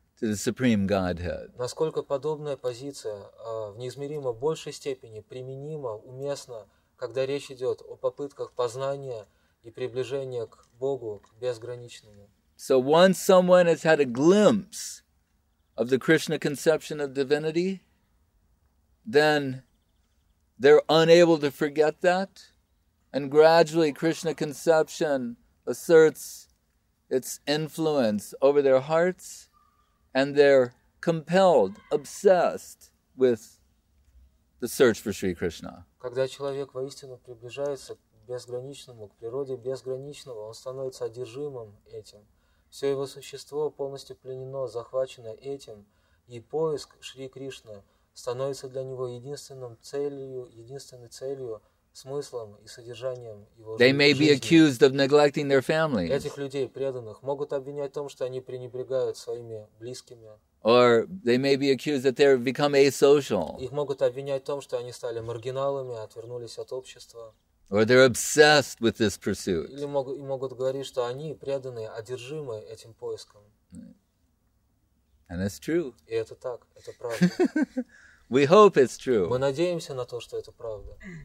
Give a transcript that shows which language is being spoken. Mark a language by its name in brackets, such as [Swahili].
[English] The Supreme Godhead. [Russian] Насколько подобная позиция в неизмеримо большей степени применима, уместна, когда речь идет о попытках познания и приближения к Богу, к безграничному. [English] So once someone has had a glimpse of the Krishna conception of divinity, then they're unable to forget that, and gradually Krishna conception asserts its influence over their hearts. And they're compelled, obsessed with the search for Sri Krishna. [Russian] Когда человек воистину приближается к безграничному, к природе безграничного, он становится одержимым этим. Все его существо полностью пленено, захвачено этим, и поиск Шри Кришны становится для него единственной целью, смыслом и содержанием его жизни. [English] They may be accused of neglecting their families. [Russian] Этих людей преданных могут обвинять в том, что они пренебрегают своими близкими. [English] Or they may be accused that they've become asocial. [Russian] Их могут обвинять в том, что они стали маргиналами, отвернулись от общества. [English] Or they're obsessed with this pursuit. [Russian] Или могут говорить, что они преданные, одержимы этим поиском. [English] And it's true. [Russian] И это так, это правда. [English] We hope it's true. [Russian] Мы надеемся на то, что это правда.